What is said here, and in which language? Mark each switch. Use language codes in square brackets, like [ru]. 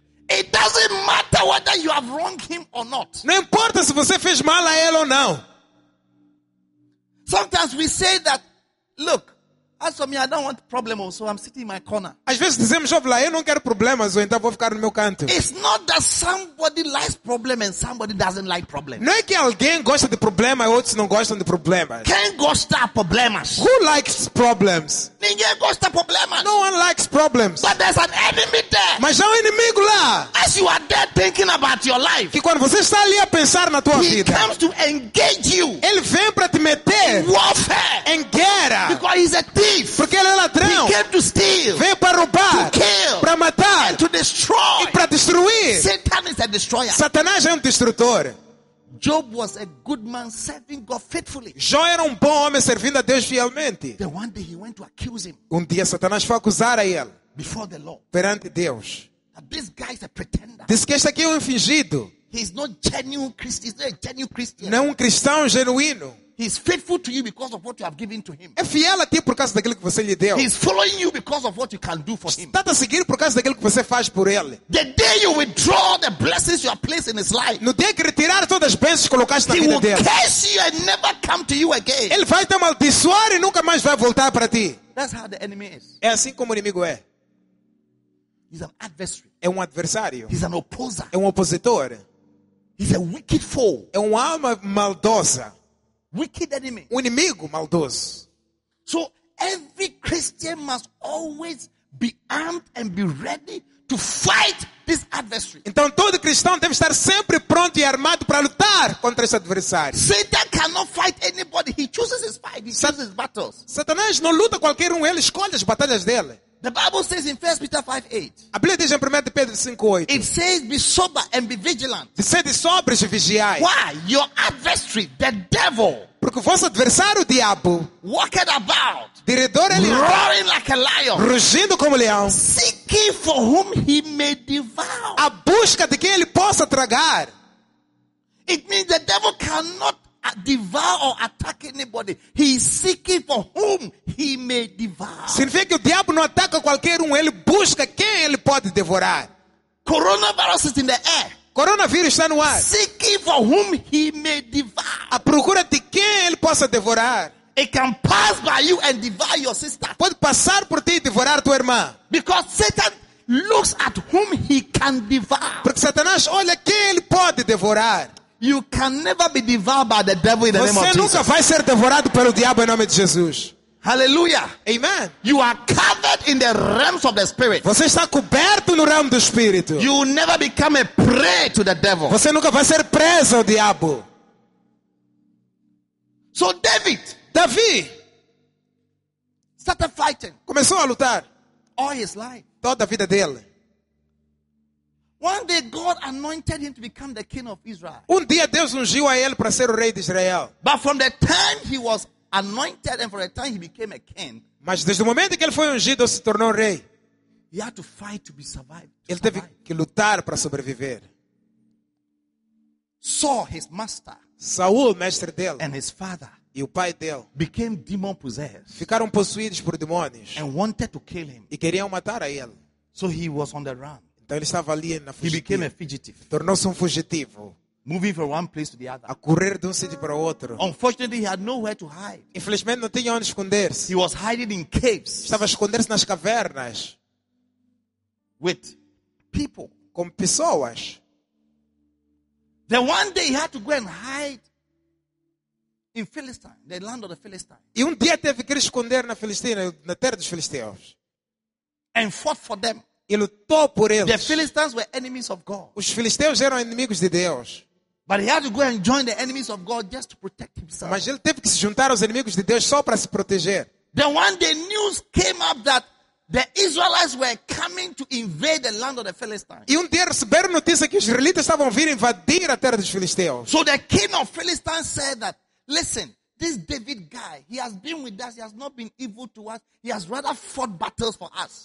[en] It doesn't matter whether you have wronged him or not. [pt] Não importa se você fez mal a ele ou não. [en] Sometimes we say that, look, as for me, I don't want problems, so I'm sitting in my corner. [pt] Às vezes dizemos, lá, eu não quero problemas, então vou ficar no meu canto. [en] It's not that somebody likes problems and somebody doesn't like problems. [pt] Não é que alguém gosta de problemas e outros não gostam de problemas. Quem gosta de problemas? [en] Who likes problems? [pt] Ninguém gosta de problemas. [en] No one likes problems. But there's an enemy there. [pt] Mas há inimigo lá. [en] As you are there thinking about your life. [pt] Que quando você está ali a pensar na tua [en] he [pt] vida. [en] He comes to engage you. [pt] Ele vem para te meter. [en] In warfare. [pt] Em guerra. [en] Because he's a thief. [pt] Porque ele é ladrão. [en] He came to steal, [pt] veio para roubar. [en] To kill, [pt] para matar. [en] And to destroy. [pt] E para destruir. [en] Satan is a destroyer. [pt] Satanás é destrutor. [en] Job was a good man serving God faithfully. [pt] Jó era bom homem servindo a Deus fielmente. [en] Then one day he went to accuse him. [pt] Dia Satanás foi acusar a ele. [en] Before the law. [pt] Perante Deus. [en] Now this guy is a pretender. [pt] Disse que este aqui é fingido. [en] He's not genuine Christian. He's not a genuine Christian. [pt] Não cristão genuíno. [en] He's faithful to you because of what you have given to him. [pt] É fiel a ti por causa daquilo que você lhe deu. [en] He's following you because of what you can do for him. [pt] Está a seguir por causa daquilo que você faz por ele. [en] The day you withdraw the blessings you have placed in his life. [pt] No dia que retirar todas as bênçãos que colocaste na vida dele. [en] He will curse you and never come to you again. [pt] Ele vai te amaldiçoar e nunca mais vai voltar para ti. [en] That's how the enemy is. [pt] É assim como o inimigo é. [en] He's an adversary. [pt] É adversário. [en] He's an opposer. [pt] É opositor. [en] He's a wicked foe. [pt] É alma maldosa. [en] Wicked enemy. [pt] Um inimigo maldoso. [en] So every Christian must always be armed and be ready to fight this adversary. [pt] Então todo cristão deve estar sempre pronto e armado para lutar contra esse adversário. [en] Satan cannot fight anybody. He chooses his fight. He chooses his battles. [pt] Satanás não luta qualquer ele escolhe as batalhas dele. [en] The Bible says in 1 Peter 5:8. [pt] A Bíblia diz em 1 Pedro 5:8. [en] It says be sober and be vigilant. [pt] Sede sóbrios e vigiai. [en] Why? Your adversary, the devil. [pt] Porque o vosso adversário, o diabo. [en] Walking about. [pt] De redor ele [en] roaring like a lion. [pt] Rugindo como leão. [en] Seeking for whom he may devour. [pt] A busca de quem ele possa tragar. [en] It means the devil cannot devour or attack anybody. He is seeking for whom he may devour. [pt] Significa que o diabo não ataca qualquer ele busca quem ele pode devorar. [en] Coronavirus is in the air. [pt] Coronavírus está no ar. [en] Seeking for whom he may devour. [pt] A procura de quem ele possa devorar. [en] It can pass by you and devour your sister. [pt] Pode passar por ti e devorar tua irmã. [en] Because Satan looks at whom he can devour. [pt] Porque Satanás olha quem ele pode devorar. [en] You can never be devoured by the devil in the [pt] você [en] name of Jesus. [pt] Você nunca vai ser devorado pelo diabo em nome de Jesus. [en] Hallelujah. Amen. You are covered in the realms of the spirit. [pt] Você está coberto no reino do espírito. [en] You will never become a prey to the devil. [pt] Você nunca vai ser preso ao diabo. [en] So David. [pt] Davi. [en] Started fighting. [pt] Começou a lutar. [en] All his life. [pt] Toda a vida dele. [en] One day God anointed him to become the king of Israel. [pt] Dia Deus ungiu a ele para ser o rei de Israel. [en] But from the time he was anointed and from the time he became a king. [pt] Mas desde o momento que ele foi ungido se tornou rei. [en] He had to fight to be survived. [pt] Ele teve que lutar para sobreviver. [en] Saul, his master. [pt] Saul, mestre dele. [en] And his father. [pt] E o pai dele. [en] Became demon possessed. [pt] Ficaram possuídos por demônios. [en] And wanted to kill him. [pt] E queriam matar a ele. [en] So he was on the run. [pt] Ele estava ali na [en] fugitiva. He became a fugitive. [pt] Tornou-se fugitivo. [en] Moving from one place to the other. [pt] A correr de sítio para outro. [en] Unfortunately, he had nowhere to hide. [pt] Infelizmente, não tinha onde esconder-se. [en] He was hiding in caves. [pt] Estava a esconder-se nas cavernas. [en] with people. [pt] Com pessoas. [en] Then one day he had to go and hide in Philistine, the land of the Philistines. [pt] E dia teve que esconder na Filistina, na terra dos Filisteus. [en] And fought for them. [pt] E lutou por eles. [en] The Philistines were enemies of God. [pt] Os Filisteus eram inimigos de Deus. [en] But he had to go and join the enemies of God just to protect himself. [pt] Mas ele teve que se juntar aos inimigos de Deus só para se proteger. [en] Then one day news came up that the Israelites were coming to invade the land of the Philistines. [pt] E dia receberam notícia que os israelitas estavam vindo invadir a terra dos Filisteus. [en] So the king of Philistines said that, listen, this David guy, he has been with us, he has not been evil to us, he has rather fought battles for us.